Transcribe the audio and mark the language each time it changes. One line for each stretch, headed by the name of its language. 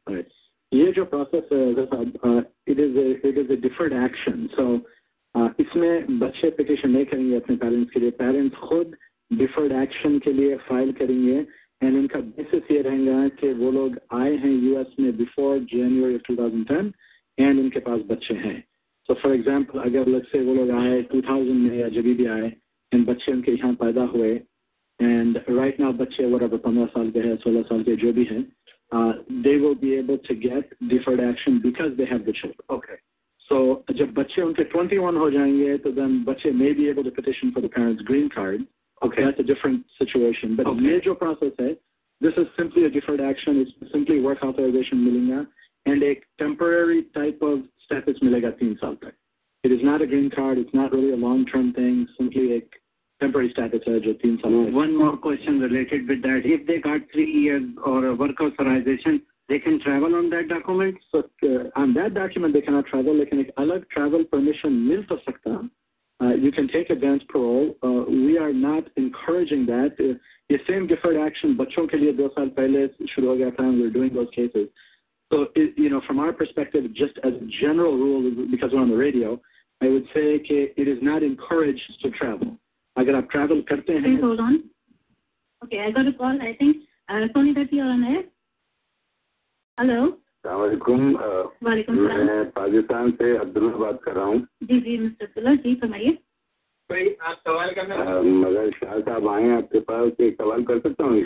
Hindi: ये जो प्रोसेस है
English: it is a deferred action
Hindi: so इसमें बच्चे पटीशन नहीं करेंगे अपने पेरेंट्स के लिए पेरेंट्स खुद डिफर्ड एक्शन के लिए फाइल करेंगे एंड इनका बेसिस ये रहेगा कि वो लोग आए हैं यूएस में बिफोर जनवरी 2010 एंड इनके पास बच्चे हैं
English: so for example
Hindi: अगर लग से वो लोग आए 2000 में या जब भी आए एंड बच्चे उनके यहाँ पैदा हुए
English: And right now, bachche, whatever,
Hindi: 15 saal ke hai, 16 saal ke, jo bhi hai,
English: they will be able to get deferred action because they have the children. Okay. So,
Hindi: jab bachche unke 21 ho jayenge, to
English: then bachche may be able to petition for the parents' green card. Okay. That's a different situation. But okay. The major process hai, this is simply a deferred action. It's simply work authorization milenga, and a temporary type of status
Hindi: milega 3 saal tak.
English: It is not a green card. It's not really a long-term thing. Simply a... Temporary status or just 3 months. One more question related with that. If they got 3 years or a work authorization, they can travel on that document? So on that document, they cannot travel. They can get alag travel permission
Hindi: mil to sakta.
English: You can take advance parole. We are not encouraging that. The same deferred action,
Hindi: bachon ke liye 2 saal pehle shuru ho gaya tha,
English: and we're doing those cases. So, from our perspective, just as a general rule, because we're on the radio, I would say ke it is not encouraged to travel.
Hindi: अगर आप travel करते हैं
English: please hold on okay I got a call I think sonny that you are on air hello
Hindi: अस्सलाम वालेकुम वालेकुम सलाम मैं पाकिस्तान से अब्दुल बात कर रहा हूं जी जी मिस्टर अब्दुल्ला जी फरमाइए भाई आप सवाल करना मगर शाह साहब आए हैं आपके पास से सवाल कर सकता हूं